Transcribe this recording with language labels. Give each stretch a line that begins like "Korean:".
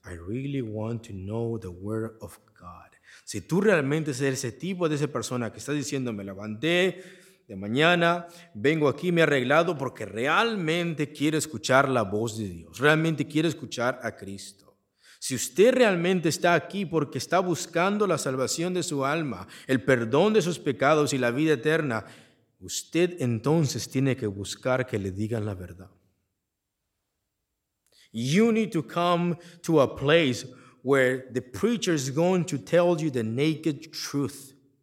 English: I really want to know the word of God.
Spanish: Si tú realmente eres ese tipo de esa persona que está diciendo, me levanté de mañana, vengo aquí, me he arreglado porque realmente quiero escuchar la voz de Dios. Realmente quiero escuchar a Cristo. Si usted realmente está aquí porque está buscando la salvación de su alma, el perdón de sus pecados y la vida eterna, usted entonces tiene que buscar que le digan la verdad.
English: You need to come to a place where the preacher is going to tell you the naked truth.